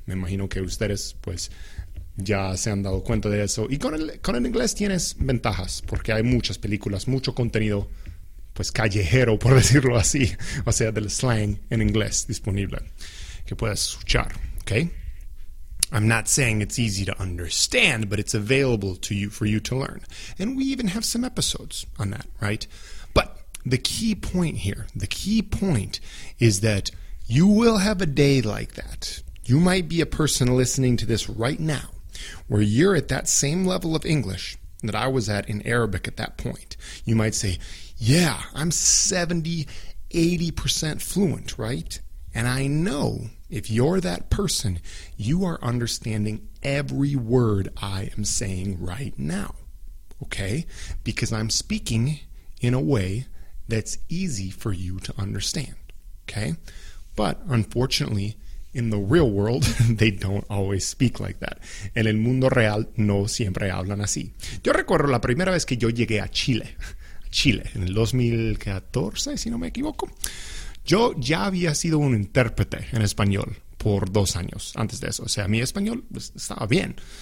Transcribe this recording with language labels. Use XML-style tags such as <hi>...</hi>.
<es>Me imagino que ustedes, pues, ya se han dado cuenta de eso. Y con el inglés tienes ventajas, porque hay muchas películas, mucho contenido, pues callejero, por decirlo así, o sea, del slang en inglés disponible, que puedes escuchar, okay?</es> <en>I'm not saying it's easy to understand, but it's available to you for you to learn. And we even have some episodes on that, right? But the key point here, the key point is that you will have a day like that. You might be a person listening to this right now, where you're at that same level of English that I was at in Arabic at that point. You might say, yeah, I'm 70, 80% fluent, right? And I know if you're that person, you are understanding every word I am saying right now, okay? Because I'm speaking in a way that's easy for you to understand, okay? But unfortunately, In the real world, they don't always speak like that.</en> <es>En el mundo real, no siempre hablan así. Yo recuerdo la primera vez que yo llegué a Chile. Chile, en el 2014, si no me equivoco. Yo ya había sido un intérprete en español por 2 años antes de eso. O sea, mi español pues, estaba bien.</es>